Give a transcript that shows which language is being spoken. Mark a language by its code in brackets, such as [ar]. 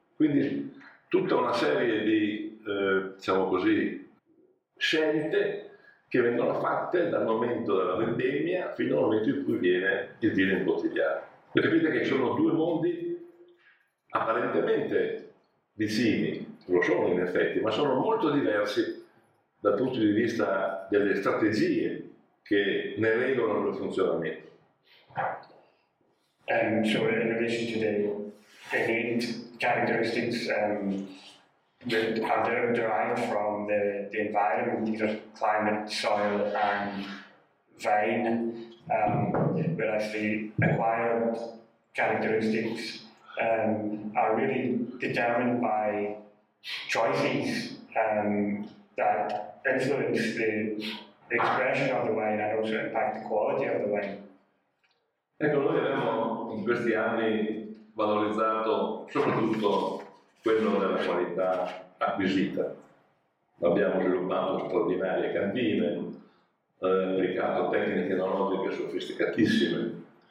[it] Quindi tutta una serie di, diciamo così, scelte che vengono fatte dal momento della vendemmia fino al momento in cui viene il vino imbottigliato. Capite che sono due mondi apparentemente vicini, lo sono in effetti, ma sono molto diversi dal punto di vista delle strategie che ne regolano il funzionamento. [en] So in addition to the eight characteristics that are derived from the environment, either climate, soil, and vine, whereas the acquired characteristics are really determined by choices that influence the expression of the wine and also impact the quality of the wine. [it] Ecco, noi abbiamo in questi anni valorizzato soprattutto quello della qualità acquisita. Abbiamo sviluppato straordinarie cantine, applicato tecniche enologiche sofisticatissime.